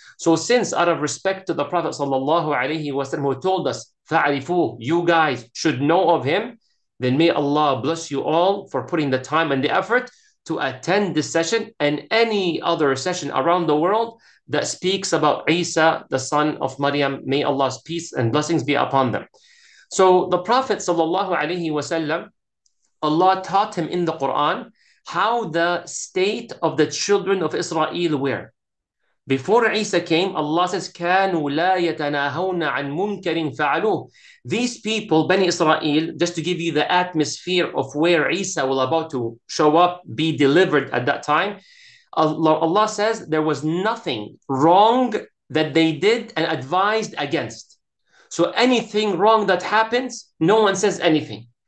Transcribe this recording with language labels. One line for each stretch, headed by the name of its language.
English: So since out of respect to the Prophet sallallahu alayhi wa sallam, who told us, فَعْرِفُوهُ, you guys should know of him, then may Allah bless you all for putting the time and the effort to attend this session and any other session around the world that speaks about Isa, the son of Maryam. May Allah's peace and blessings be upon them. So the Prophet sallallahu alayhi wa sallam, Allah taught him in the Quran how the state of the children of Israel were. Before Isa came, Allah says,
Arabic: كَانُوا لَا يَتَنَاهَوْنَ عَنْ مُنْكَرٍ فَعَلُوهُ.
English: These people, Bani Israel, just to give you the atmosphere of where Isa will about to show up, be delivered at that time, Allah says there was nothing wrong that they did and advised against. So anything wrong that happens, no one says anything.